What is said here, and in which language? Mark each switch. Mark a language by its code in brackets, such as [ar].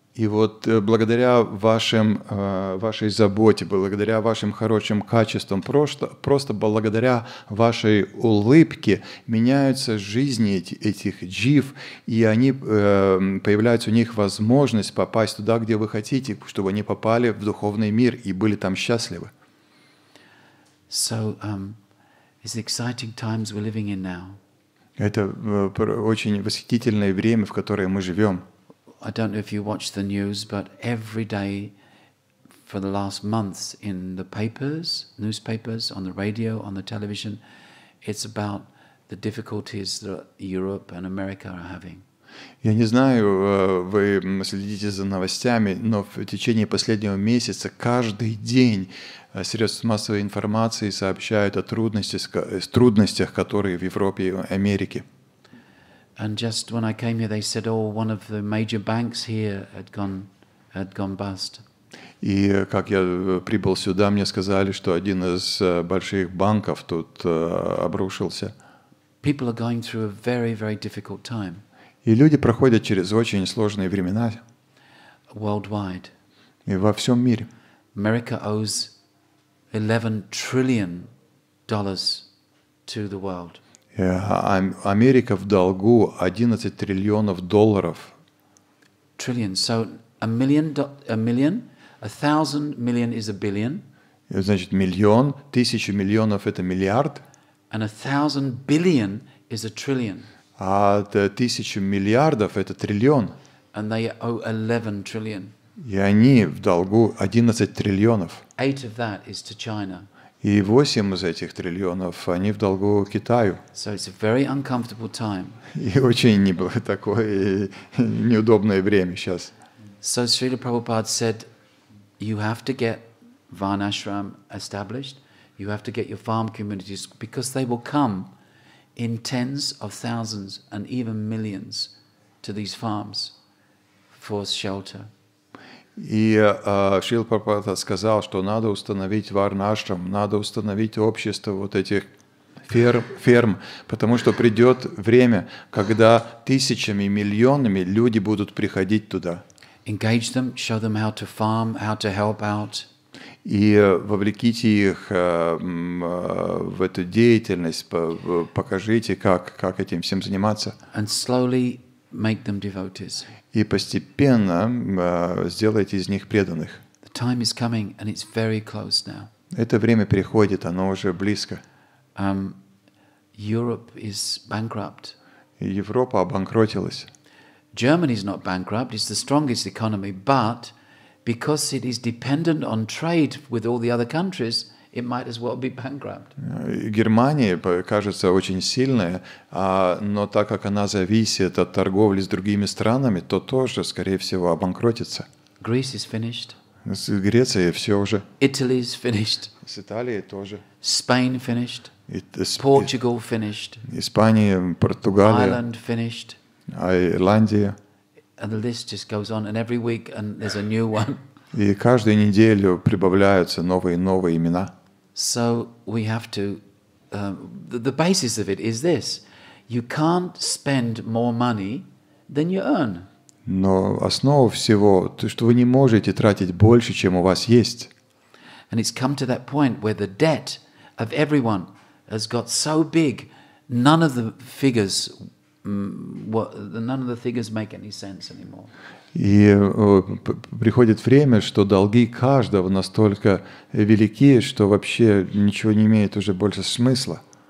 [ru] И вот благодаря вашей заботе, благодаря вашим хорошим качествам, просто благодаря вашей улыбке меняются жизни этих джив, и они, появляется у них возможность попасть туда, где вы хотите, чтобы они попали в духовный мир и были там счастливы. [en] So, it's exciting times we're living in now. [ru] Это очень восхитительное время, в которое мы живем. [en] I don't know if you watch the news, but every day for the last months in the papers, newspapers, on the radio, on the television, it's about the difficulties that Europe and America are having. [ru] Я не знаю, вы следите за новостями, но в течение последнего месяца каждый день средства массовой информации сообщают о трудностях, которые в Европе и Америке. [en] And just when I came here, they said, "Oh, one of the major banks here had gone bust." [ru] И как я прибыл сюда, мне сказали, что один из больших банков тут обрушился. [en] People are going through a very, very difficult time. [ru] И люди проходят через очень сложные времена. [en] Worldwide. [ru] И во всем мире. [en] America owes $11 trillion to the world. [ru] Америка в долгу 11 триллионов долларов. [en] Trillion. So a million, a thousand million is a billion. [ru] Значит, миллион, тысяча миллионов — это миллиард. [en] And a thousand billion is a trillion. [ru] А тысяча миллиардов — это триллион. [en] And they owe 11 trillion. [ru] И они в долгу 11 триллионов. [en] Eight of that is to China. [ru] И 8 из этих триллионов они в долгу Китаю. [en] So it's a very uncomfortable time. [ru] И очень не было такое неудобное время сейчас. [en] So Srila Prabhupada said, you have to get Varnashram established. You have to get your farm communities, because they will come in tens of thousands and even millions to these farms for shelter. [ru] И Шрила Прабхупада сказал, что надо установить варнашрам, надо установить общество вот этих ферм, потому что придет время, когда тысячами, миллионами люди будут приходить туда. [en] Engage them, show them how to farm, how to help out. [ru] И вовлеките их в эту деятельность, покажите, как этим всем заниматься. [en] And slowly make them devotees. [ru] И постепенно сделайте из них преданных. [en] The time is coming, and it's very close now. [ru] Это время приходит, оно уже близко. [en] Europe is bankrupt. [ru] Европа обанкротилась. [en] Germany is not bankrupt, it's the strongest economy, but because it is dependent on trade with all the other countries, it might as well be bankrupt. [ru] Германия кажется очень сильная, но так как она зависит от торговли с другими странами, то тоже, скорее всего, обанкротится. [en] Greece is finished. [ru] С Грецией все уже. [en] Italy is finished. [ru] С Италией тоже. [en] Spain finished. Portugal finished. [ru] Испания, Португалия. [en] Ireland finished. [ru] Ирландия. [en] And the list just goes on, and every week and there's a new one. [ru] И каждую неделю прибавляются новые и новые имена. [en] So we have to... the basis of it is this. You can't spend more money than you earn. [ru] Но основа всего, то, что вы не можете тратить больше, чем у вас есть. [en] And it's come to that point where the debt of everyone has got so big, none of the figures make any sense anymore. [ru] И приходит время, что долги каждого настолько велики, что вообще ничего не имеет уже больше смысла.